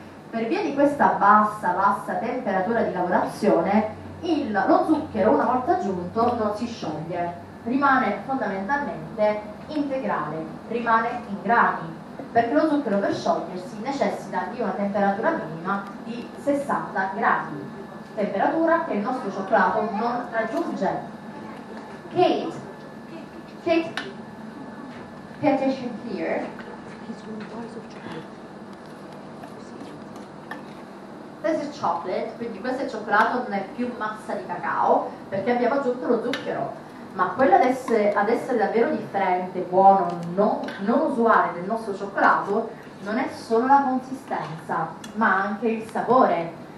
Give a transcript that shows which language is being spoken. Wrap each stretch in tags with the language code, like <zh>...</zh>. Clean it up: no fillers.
<it>Per via di questa bassa temperatura di lavorazione, lo zucchero, una volta aggiunto, non si scioglie. Rimane fondamentalmente integrale, rimane in grani. Perché lo zucchero per sciogliersi necessita di una temperatura minima di 60 gradi, temperatura che il nostro cioccolato non raggiunge.</it> <en>Kate, pay attention here. This is chocolate,</en> <it>quindi questo cioccolato non è più massa di cacao perché abbiamo aggiunto lo zucchero. Ma quello ad essere davvero differente, buono, non usuale del nostro cioccolato, non è solo la consistenza, ma anche il sapore.</it>